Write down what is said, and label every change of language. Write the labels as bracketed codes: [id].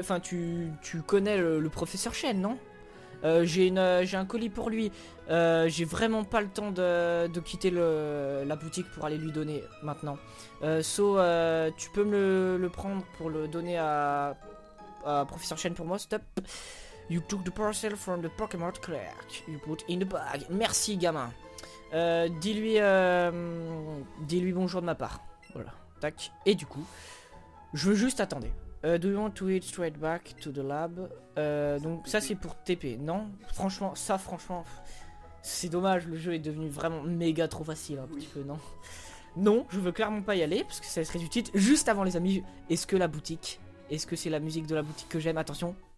[fr] Enfin, tu connais le professeur Shen, non? J'ai un colis pour lui. J'ai vraiment pas le temps de quitter la boutique pour aller lui donner maintenant. Tu peux me le prendre pour le donner à Professeur Shen pour moi, stop. [en] You took the parcel from the Pokémon clerk. You put in the bag. [fr] Merci, gamin. Dis-lui bonjour de ma part. Voilà. Tac. Et du coup, je veux juste attendre. [en] Do you want to head straight back to the lab? [fr] Donc ça c'est pour TP, non? Franchement, c'est dommage, le jeu est devenu vraiment méga trop facile un petit peu, non? Non, je veux clairement pas y aller, parce que ça serait utile. Juste avant les amis, est-ce que c'est la musique de la boutique que j'aime? Attention.